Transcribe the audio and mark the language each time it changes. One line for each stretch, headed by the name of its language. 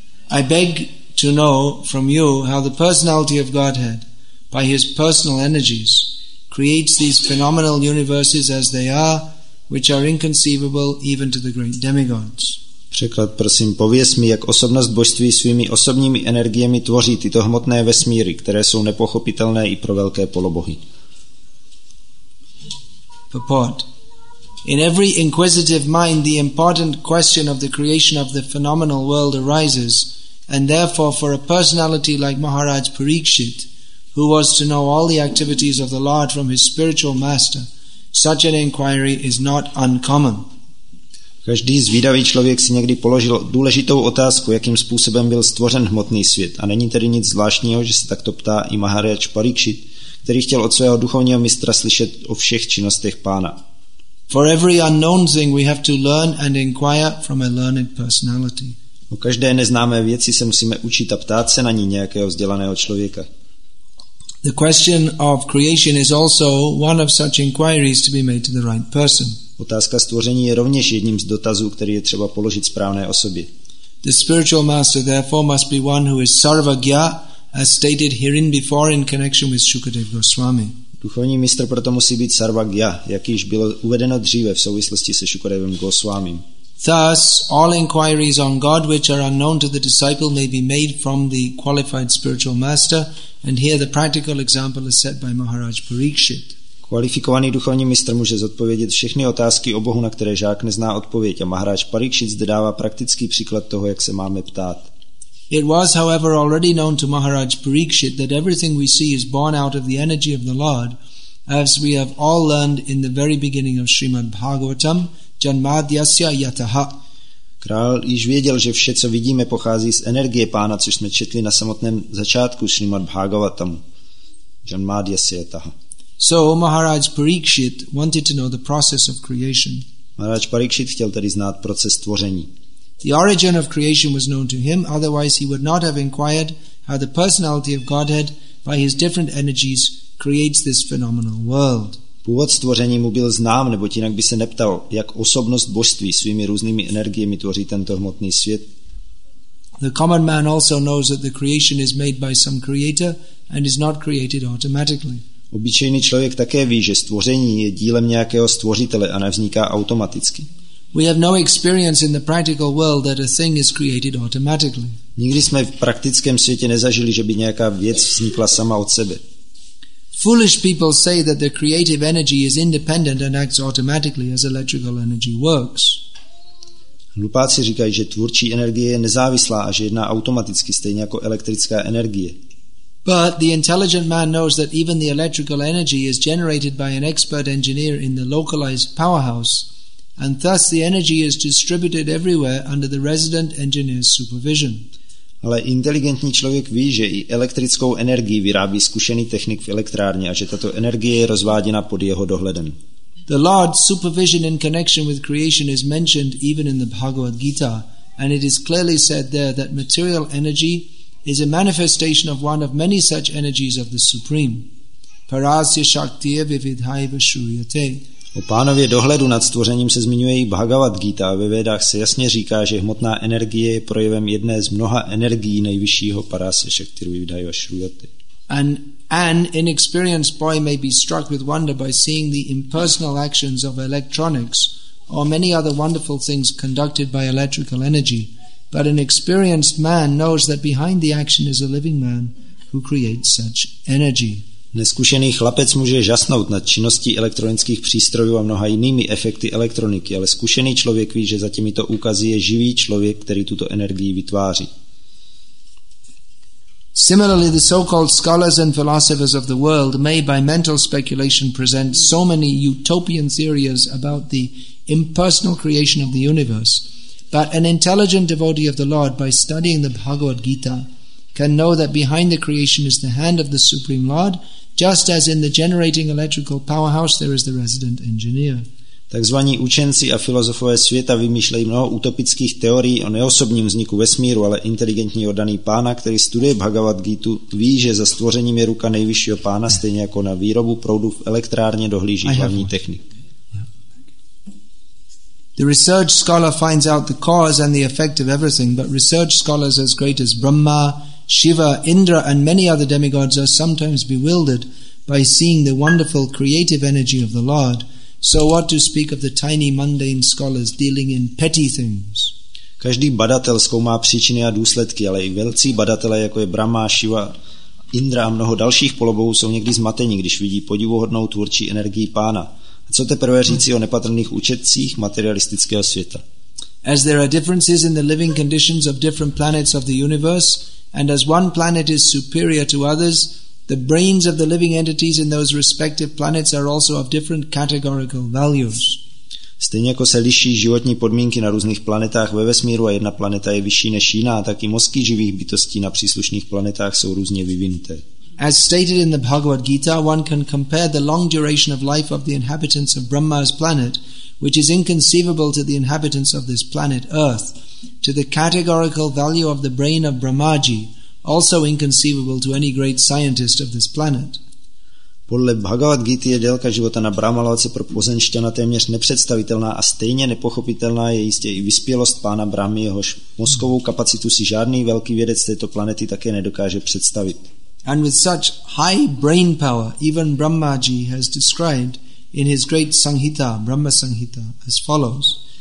English: I beg to know from you how the personality of Godhead, by his personal energies, creates these phenomenal universes as they are, which are inconceivable even to the great demigods.
Czech: Překlad, prosím, pověz mi, jak osobnost božství svými osobními energiemi tvoří tyto hmotné vesmíry, které jsou nepochopitelné i pro velké polobohy.
English: Purport. In every inquisitive mind, the important question of the creation of the phenomenal world arises, and therefore for a personality like Maharaj Parikshit, who was to know all the activities of the Lord from his spiritual master, such an inquiry is not uncommon.
Czech: Každý zvídavý člověk si někdy položil důležitou otázku, jakým způsobem byl stvořen hmotný svět, a není tedy nic zvláštního, že se takto ptá i Maharaj Parikshit, který chtěl od svého duchovního mistra slyšet o všech činnostech pána.
English: For every unknown thing we have to learn and inquire from a learned personality.
Czech: O každé neznámé věci se musíme učit a ptát se na ní nějakého vzdělaného člověka.
English: The question of creation is also one of such inquiries to be made to the right person.
Czech: Otázka stvoření je rovněž jedním z dotazů, který je třeba položit správné osobě.
English: The spiritual master therefore must be one who is sarvagya, as stated herein before in connection with Shukadev Goswami.
Czech: Duchovní mistr proto musí být sarvagya, jak již bylo uvedeno dříve v souvislosti se Shukadevem Goswamim.
English: Thus, all inquiries on God which are unknown to the disciple may be made from the qualified spiritual master, and here the practical example is set by Maharaj Parikshit.
Czech: Kvalifikovaný duchovní mistr může zodpovědět všechny otázky o Bohu, na které žák nezná odpověď, a Maharaj Parikshit zde dává praktický příklad toho, jak se máme ptát.
English: It was, however, already known to Maharaj Parikshit that everything we see is born out of the energy of the Lord, as we have all learned in the very beginning of Srimad Bhagavatam, Janmadyasya Yataha.
Czech: Král již věděl, že vše, co vidíme, pochází z energie pána, což jsme četli na samotném začátku Srimad Bhagavatam, Janmadyasya Yataha.
English: So Maharaj Parikshit wanted to know the process of creation.
Czech: Maharaj Parikshit chtěl tedy znát proces tvoření.
English: The origin of creation was known to him, otherwise he would not have inquired how the personality of Godhead by his different energies creates this phenomenal world.
Czech: Původ stvoření mu byl znám, neboť jinak by se neptal, jak osobnost božství svými různými energiemi tvoří tento hmotný svět.
English: The common man also knows that the creation is made by some creator and is not created automatically.
Czech: Obyčejný člověk také ví, že stvoření je dílem nějakého stvořitele a nevzniká automaticky.
English: We have no experience in the practical world that a thing is created automatically.
Czech: Nikdy jsme v praktickém světě nezažili, že by nějaká věc vznikla sama od sebe.
English: Foolish people say that the creative energy is independent and acts automatically as electrical energy works.
Czech: Hlupáci říkají, že tvůrčí energie je nezávislá a že jedná automaticky, stejně jako elektrická energie.
English: But the intelligent man knows that even the electrical energy is generated by an expert engineer in the localized powerhouse, and thus the energy is distributed everywhere under the resident engineer's supervision.
Czech: Ale inteligentní člověk ví, že i elektrickou energii vyrábí zkušený technik v elektrárně a že tato energie je rozváděna pod jeho dohledem.
English: The Lord's supervision in connection with creation is mentioned even in the Bhagavad Gita, and it is clearly said there that material energy is a manifestation of one of many such energies of the Supreme.
Sanskrit: Parasya shaktiye vividhaiva shuryate.
Czech: O pánově dohledu nad stvořením se zmiňuje i Bhagavad Gita a ve Vedách se jasně říká, že hmotná energie je projevem jedné z mnoha energií nejvyššího
Sanskrit: Parasya Shakti Vividhaiva Shruyate.
English: An inexperienced boy may be struck with wonder by seeing the impersonal actions of electronics or many other wonderful things conducted by electrical energy, but an experienced man knows that behind the action is a living man who creates such energy.
Czech: Neskušený chlapec může žasnout nad činností elektronických přístrojů a mnoha jinými efekty elektroniky, ale zkušený člověk ví, že za těmito úkazy je živý člověk, který tuto energii vytváří.
English: Similarly, the so-called scholars and philosophers of the world may by mental speculation present so many utopian theories about the impersonal creation of the universe, but an intelligent devotee of the Lord by studying the Bhagavad Gita can know that behind the creation is the hand of the Supreme Lord, just as in the generating electrical powerhouse there is the resident engineer.
Czech: Takzvaní učenci a filozofové světa vymýšlejí mnoho utopických teorií o neosobním vzniku vesmíru, ale inteligentní oddaný pána, který studuje Bhagavad Gitu, ví, že za stvořením je ruka nejvyššího pána, stejně jako na výrobu proudu v elektrárně dohlíží hlavní technik.
English: The research scholar finds out the cause and the effect of everything, but research scholars as great as Brahma, Shiva, Indra, and many other demigods are sometimes bewildered by seeing the wonderful creative energy of the Lord. So what to speak of the tiny mundane scholars dealing in petty things?
Czech: Každý badatel zkoumá příčiny a důsledky, ale i velcí badatelé, jako je Brahma, Shiva, Indra a mnoho dalších polobohů, jsou někdy zmateni, když vidí podivuhodnou tvůrčí energii pána. A co teprve říci o nepatrných účetcích materialistického světa?
English: As there are differences in the living conditions of different planets of the universe, and as one planet is superior to others, the brains of the living entities in those respective planets are also of different categorical values.
Czech: Stejně jako se liší životní podmínky na různých planetách ve vesmíru a jedna planeta je vyšší než jiná, tak i mozky živých bytostí na příslušných planetách jsou různě vyvinuté.
English: As stated in the Bhagavad Gita, one can compare the long duration of life of the inhabitants of Brahma's planet, which is inconceivable to the inhabitants of this planet Earth, to the categorical value of the brain of Brahmaji, also inconceivable to any great scientist of this planet.
Czech: Podle Bhagavad Gita je délka života na Brahmaloce pro pozemšťana téměř nepředstavitelná a stejně nepochopitelná je jistě i vyspělost pána Brahmy, jehož mozkovou kapacitu si žádný velký vědec této planety také nedokáže představit.
English: And with such high brain power, even Brahmaji has described in his great Sanghita, Brahma Sanghita, as follows.